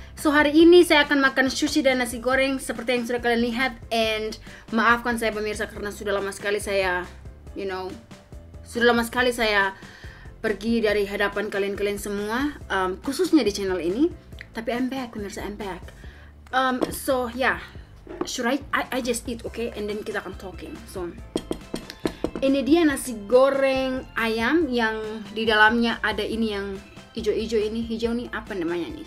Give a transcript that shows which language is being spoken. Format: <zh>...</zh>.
<id>So hari ini saya akan makan sushi dan nasi goreng seperti yang sudah kalian lihat, and maafkan saya pemirsa karena sudah lama sekali saya, you know, sudah lama sekali saya pergi dari hadapan kalian-kalian semua, khususnya di channel ini.</id> <en>Tapi I'm back pemirsa, I'm back. So yeah, I just eat okay, and then</en> <id>kita akan</id> <en>talking.</en> <id>So ini dia nasi goreng ayam yang di dalamnya ada ini yang hijau-hijau ini. Hijau ini apa namanya nih?</id>